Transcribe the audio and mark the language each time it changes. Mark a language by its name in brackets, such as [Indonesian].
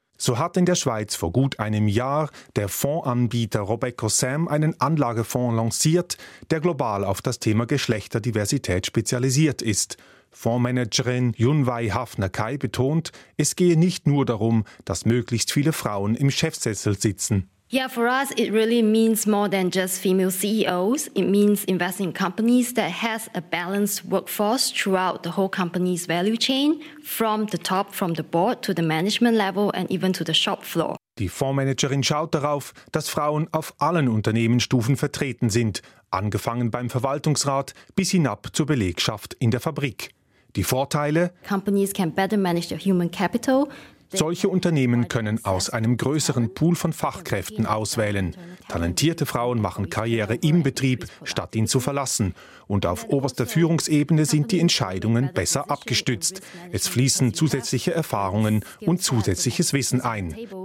[German] So hat in der Schweiz vor gut einem Jahr der Fondsanbieter Robeco Sam einen Anlagefonds lanciert, der global auf das Thema Geschlechterdiversität spezialisiert ist. Fondsmanagerin Yunwei Hafner-Kai betont, es gehe nicht nur darum, dass möglichst viele Frauen im Chefsessel sitzen. [English] Yeah, for us it really means more than just female CEOs. It means investing in companies that has a balanced workforce throughout the whole company's value chain, from the top, from the board to the management level and even to the shop floor. [German] Die Fondsmanagerin schaut darauf, dass Frauen auf allen Unternehmensstufen vertreten sind, angefangen beim Verwaltungsrat bis hinab zur Belegschaft in der Fabrik. Die Vorteile: [English] Companies can better manage their human capital. [German] Solche Unternehmen können aus einem größeren Pool von Fachkräften auswählen. Talentierte Frauen machen Karriere im Betrieb, statt ihn zu verlassen. Und auf oberster Führungsebene sind die Entscheidungen besser abgestützt. Es fließen zusätzliche Erfahrungen und zusätzliches Wissen ein.